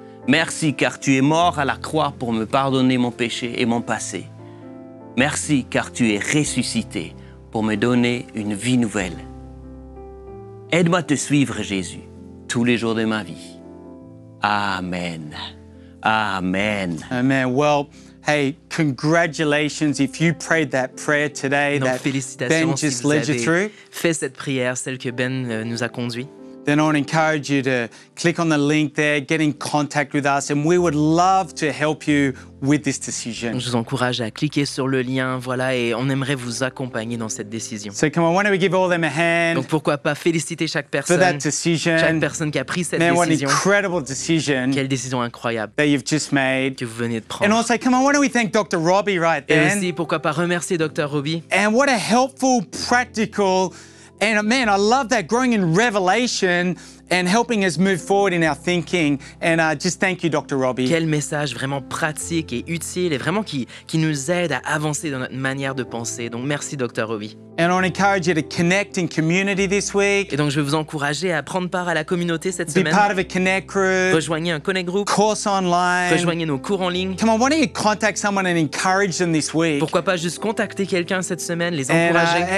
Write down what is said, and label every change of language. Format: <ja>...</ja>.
<fr>Merci car tu es mort à la croix pour me pardonner mon péché et mon passé. Merci car tu es ressuscité pour me donner une vie nouvelle. Aide-moi à te suivre, Jésus, tous les jours de ma vie. Amen. Amen. Amen.</fr> <en>Well, hey, congratulations if you prayed that prayer today.</en> <fr>Félicitations</fr> <en>Ben just led you through.</en> <fr>Fais cette prière, celle que Ben nous a conduit.</fr> <en>Then I want to encourage you to click on the link there, get in contact with us, and we would love to help you with this decision.</en> <fr>Je vous encourage à cliquer sur le lien, voilà, et on aimerait vous accompagner dans cette décision.</fr> <en>So come on, why don't we give all them a hand?</en> <fr>Donc pourquoi pas féliciter chaque personne</fr> <en>for that decision,</en> <fr>chaque personne qui a pris cette décision.</fr> <en>What an incredible decision!</en> <fr>Quelle décision incroyable</fr> <en>that you've just made.</en> <fr>Que vous venez de prendre.</fr> <en>And also, come on, why don't we thank Dr. Robbie right then?</en> <fr>Et aussi, pourquoi pas remercier Dr. Robbie?</fr> <en>And what a helpful, practical. And man, I love that growing in revelation and helping us move forward in our thinking. And just thank you, Dr. Robbie.</en> <fr>Quel message vraiment pratique et utile et vraiment qui nous aide à avancer dans notre manière de penser. Donc merci, Dr. Robbie.</fr> <en>And I want to encourage you to connect in community this week.</en> <fr>Et donc je vais vous encourager à prendre part à la communauté cette semaine.</fr> <en>Be part of a connect group.</en> <fr>Rejoignez un connect group.</fr> <en>Course online.</en> <fr>Rejoignez nos cours en ligne.</fr> <en>Come on, why don't you contact someone and encourage them this week?</en> <fr>Pourquoi pas juste contacter quelqu'un cette semaine, les encourager.</fr>